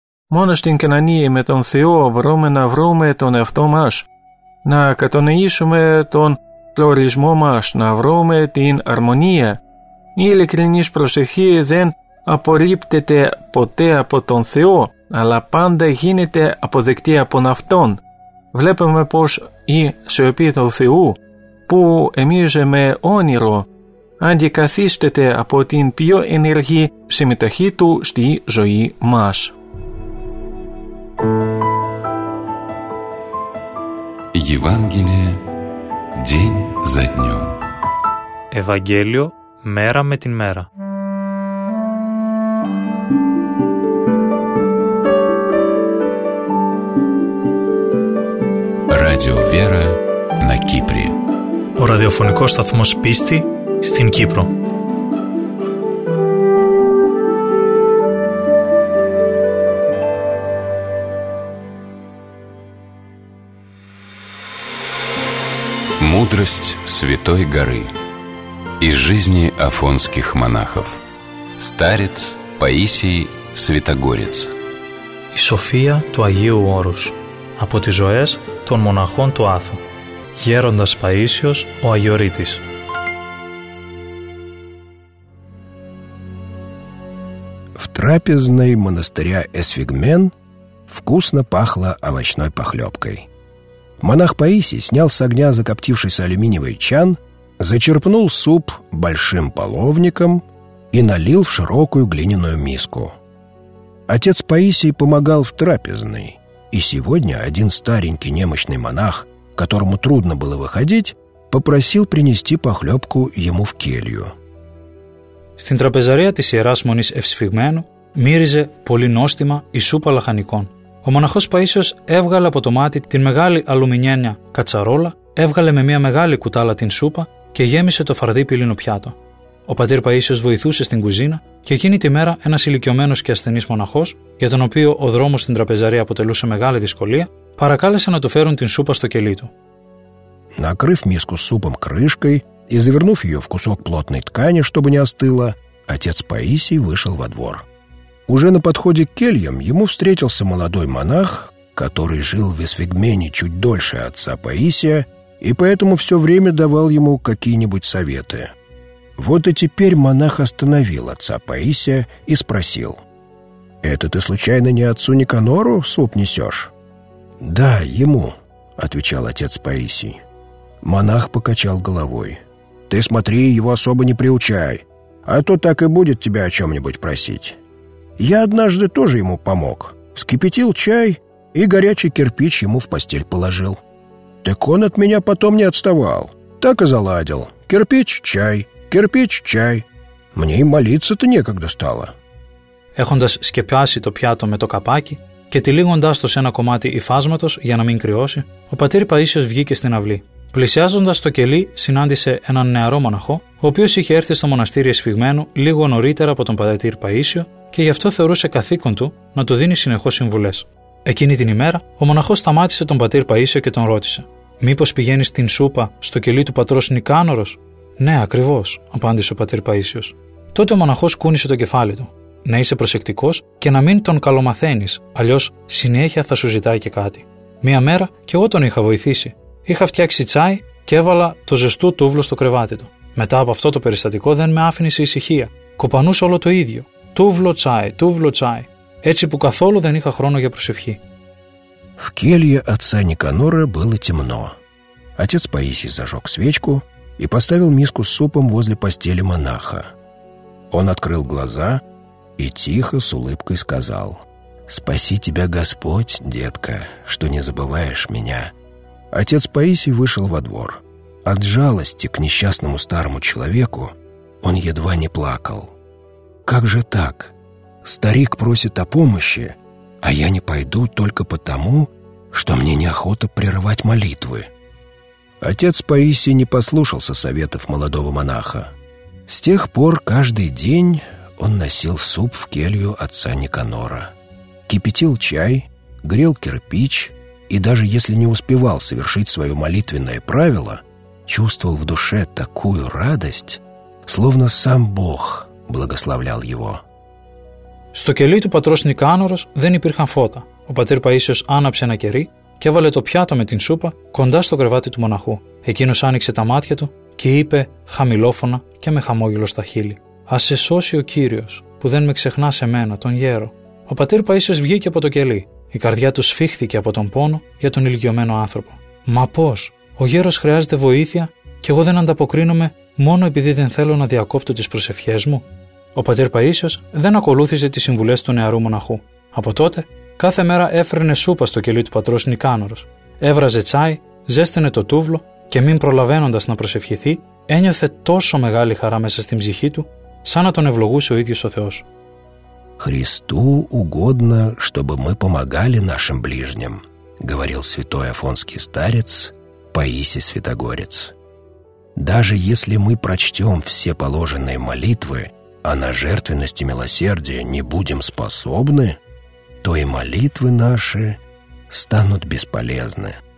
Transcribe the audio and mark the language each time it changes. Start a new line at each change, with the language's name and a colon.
Greek: Монаштин канание метон Сео, вроме на вроме тон автомаш, на катонеишме тон плоризмомаш, на вроме тин армония, или криниш прошехи зен апориптете поте апотон Сео, αλλά πάντα γίνεται αποδεκτή από αυτόν. Βλέπουμε πως η σιωπή του Θεού, που εμίζει με όνειρο, αντικαθίσταται από την πιο ενεργή συμμετοχή του στη ζωή μας.
Russian: Ευαγγέλιο, день за днем.
Greek: Ευαγγέλιο, μέρα με την μέρα.
Russian: Радио Вера на Кипре.
Greek: Ο ραδιοφωνικός σταθμός Πίστη στην Κύπρο.
Russian: Мудрость Святой Горы из жизни афонских монахов. Старец Паисий Святогорец.
Greek: Η σοφία του Αγίου Όρους από τις ζωές των μοναχών του Άθου. Γέροντας Παΐσιος, ο Αγιορείτης.
Russian: В трапезной монастыря Эсфигмен вкусно пахло овощной похлебкой. Монах Паисий снял с огня закоптившийся алюминиевый чан, зачерпнул суп большим половником и налил в широкую глиняную миску. Отец Паисий помогал в трапезной, и сегодня один старенький немощный монах, которому трудно было выходить, попросил принести похлебку ему в келью.
Greek: Στην τραπεζαρία της Ιεράς Μονής Ευσφυγμένου μύριζε πολύ νόστιμα η σούπα λαχανικών. Ο μοναχός Παΐσιος έβγαλε από το μάτι την μεγάλη αλουμινένια κατσαρόλα, έβγαλε με μια μεγάλη κουτάλα την σούπα και γέμισε το φαρδί πυλίνο πιάτο. Ο πατήρ Παΐσιος βοηθούσε στην κουζίνα και εκείνη τη μέρα ένας ηλικιωμένος και ασθενής μοναχός, για τον οποίο ο δρόμος στην τραπεζαρία αποτελούσε μεγάλη δυσκολία, παρακάλεσε να του φέρουν την σούπα στο κελί του.
Russian: Накрыв миску с супом крышкой и завернув ее в кусок плотной ткани, чтобы не остыло, отец Паисий вышел во двор. Уже на подходе к кельям ему встретился молодой монах, который жил в Эсфигмене чуть дольше отца Паисия и поэтому все время давал ему какие-нибудь советы. Вот и теперь монах остановил отца Паисия и спросил: «Это ты случайно не отцу Никанору суп несешь?» «Да, ему», — отвечал отец Паисий. Монах покачал головой. «Ты смотри, его особо не приучай, а то так и будет тебя о чем-нибудь просить. Я однажды тоже ему помог, вскипятил чай и горячий кирпич ему в постель положил. Так он от меня потом не отставал, так и заладил. Кирпич, чай, кирпич, чай. Мне и молиться-то некогда стало».
Greek: Έχοντας σκεπάσει το πιάτο με το καπάκι και τυλίγοντάς το σε ένα κομμάτι υφάσματος για να μην κρυώσει, ο πατήρ Παΐσιος βγήκε στην αυλή. Πλησιάζοντας το κελί, συνάντησε έναν νεαρό μοναχό, ο οποίος είχε έρθει στο μοναστήρι Εσφυγμένου λίγο νωρίτερα από τον πατήρ Παΐσιο και γι' αυτό θεωρούσε καθήκον του να του δίνει συνεχώς συμβουλές. Εκείνη την ημέρα, ο μοναχός σταμάτησε τον πατήρ Παΐσιο και τον ρώτησε: «Μήπως πηγαίνεις την σούπα στο κελί του πατρός Νικάνορος?» «Ναι, ακριβώς», απάντησε ο πατήρ Παΐσιος. Τότε ο μοναχός κούνησε το κεφάλι του. «Να είσαι προσεκτικός και να μην τον καλομαθαίνεις, αλλιώς συνέχεια θα σου ζητάει και κάτι. Μία μέρα κι εγώ τον είχα βοηθήσει. Είχα φτιάξει τσάι και έβαλα το ζεστό τούβλο στο κρεβάτι του. Μετά από αυτό το περιστατικό δεν με άφηνε σε ησυχία. Κοπανούσε όλο το ίδιο. Τούβλο τσάι, τούβλο τσάι. Έτσι που καθόλου δεν είχα χρόνο για προσευχή».
Russian: В келье отца Никанора было темно. Отец Паисий зажег свечку и поставил миску с супом возле постели монаха. Он открыл глаза и тихо с улыбкой сказал: «Спаси тебя Господь, детка, что не забываешь меня». Отец Паисий вышел во двор. От жалости к несчастному старому человеку он едва не плакал. «Как же так? Старик просит о помощи, а я не пойду только потому, что мне неохота прерывать молитвы». Отец Паисий не послушался советов молодого монаха. С тех пор каждый день он носил суп в келью отца Никанора, кипятил чай, грел кирпич и даже если не успевал совершить свое молитвенное правило, чувствовал в душе такую радость, словно сам Бог благословлял его.
Greek: Στο κελί του πατρός Νικάνορος δεν υπήρχαν φώτα. Ο πατήρ Παΐσιος άναψε ένα κερί και έβαλε το πιάτο με την σούπα κοντά στο κρεβάτι του μοναχού. Εκείνος άνοιξε τα μάτια του και είπε χαμηλόφωνα και με χαμόγελο στα χείλη: «Ας σε σώσει ο Κύριος που δεν με ξεχνά σε μένα, τον γέρο». Ο πατήρ Παΐσιος βγήκε από το κελί. Η καρδιά του σφίχθηκε από τον πόνο για τον ηλικιωμένο άνθρωπο. «Μα πώς, ο γέρος χρειάζεται βοήθεια και εγώ δεν ανταποκρίνομαι μόνο επειδή δεν θέλω να διακόπτω τις προσευχές μου?» Ο πατήρ Παΐσιος δεν ακολούθησε τις συμβουλές του νεαρού μοναχού. Από τότε, κάθε μέρα έφερνε σούπα στο κελί του πατρός Νικάνορος. Έβραζε τσάι, ζέστηνε το τούβλο και μην προλαβαίνοντας να προσευχηθεί, ένιωθε τόσο μεγάλη χαρά μέσα στην ψυχή του, σαν να τον ευλογούσε ο ίδιος ο Θεός.
Russian: «Христу угодно, чтобы мы помогали нашим ближним. говорил святой Афонский старец Паисий Святогорец. Даже если мы прочтем все положенные молитвы, а на жертвенность и милосердие не будем способны, то и молитвы наши станут бесполезны.